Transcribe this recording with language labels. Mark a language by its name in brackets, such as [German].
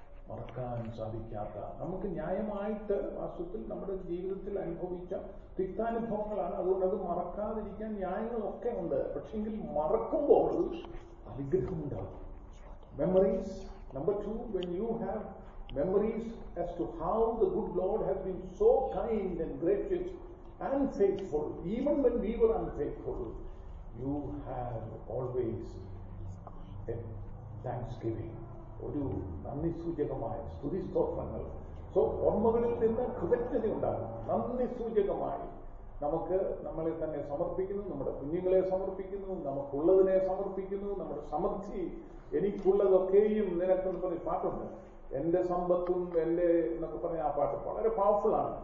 [Malayalam] മറക്കാൻ സാധിക്കാത്ത നമുക്ക് ന്യായമായിട്ട് വാസ്തവത്തിൽ നമ്മുടെ ജീവിതത്തിൽ അനുഭവിച്ച തിക്താനുഭവങ്ങളാണ്. അതുകൊണ്ട് അത് മറക്കാതിരിക്കാൻ ന്യായങ്ങളൊക്കെ ഉണ്ട്. പക്ഷെങ്കിൽ മറക്കുമ്പോൾ അനുഗ്രഹമുണ്ടാകും. [English] Memories number two, when you have memories as to how the good lord has been so kind and gracious unfaithful, even when we were unfaithful, you have always a thanksgiving. [Malayalam] ഒരു നന്ദി സൂചകമായ സ്തുതി സ്തോത്രങ്ങൾ. സോ ഓർമ്മകളിൽ നിന്ന് കൃതജ്ഞത ഉണ്ടാകും. നന്ദി സൂചകമായി നമുക്ക് നമ്മളെ തന്നെ സമർപ്പിക്കുന്നു, നമ്മുടെ കുഞ്ഞുങ്ങളെ സമർപ്പിക്കുന്നു, നമുക്കുള്ളതിനെ സമർപ്പിക്കുന്നു, നമ്മുടെ സമൃദ്ധി, എനിക്കുള്ളതൊക്കെയും നിനക്ക് പറഞ്ഞ പാട്ടുണ്ട്, എന്റെ സമ്പത്തും എന്റെ എന്നൊക്കെ പറഞ്ഞ ആ പാട്ട് വളരെ പവർഫുൾ ആണ്.